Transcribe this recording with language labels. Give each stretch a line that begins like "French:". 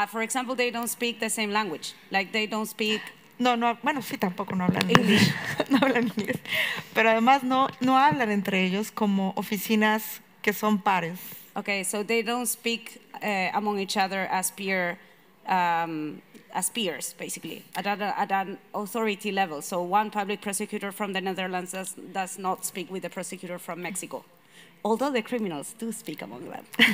English: For example, they don't speak the same language. Like they don't speak.
Spanish: Tampoco no hablan English. No hablan inglés. Pero además no hablan entre ellos como oficinas que son pares.
English: Okay, so they don't speak among each other as peer. As peers, basically, at an authority level. So one public prosecutor from the Netherlands does not speak with the prosecutor from Mexico, although the criminals do speak among them.